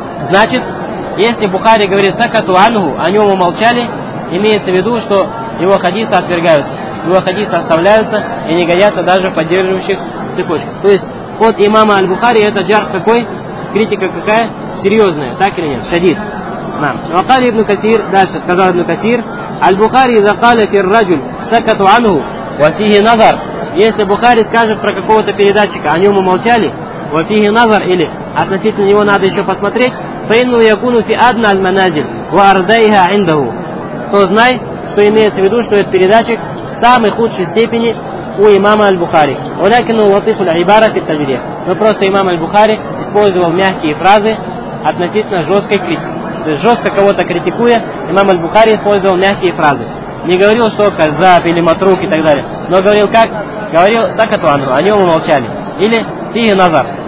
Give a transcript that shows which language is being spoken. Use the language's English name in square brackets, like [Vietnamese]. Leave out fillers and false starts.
[Russian] Значит, если Бухари говорит сакату ангу, о нем умолчали, имеется в виду, что его хадисы отвергаются, его хадисы оставляются и не годятся даже в поддерживающих цепочках. То есть, от имама аль-Бухари это джарх какой? Критика какая? Серьезная, так или нет? Шадид. [Arabic] وقال ابن كثير [Russian] дальше сказал [Arabic] ابن كثير البخاري إذا قال في الرجل سكت عنه وفيه نظر. [Russian] Если Бухари скажет про какого-то передатчика, о нем умолчали, [Arabic] وفيه نظر, [Russian] или относительно него надо еще посмотреть, [Arabic] فإنه يكون في أدنى المنازل وأرضيها عنده, [Russian] то знай, что имеется в виду, что этот передатчик в самой худшей степени у имама аль-Бухари. [Arabic] ولكن لطيف العبارة في التجريح. [Russian] Но просто имам аль-Бухари использовал мягкие фразы относительно жесткой критики. То есть жестко кого-то критикуя, имам аль-Бухари использовал мягкие фразы. Не говорил, что казаб или матрук и так далее. Но говорил как? Говорил сакату ангу, о нем умолчали. Или фиги назар.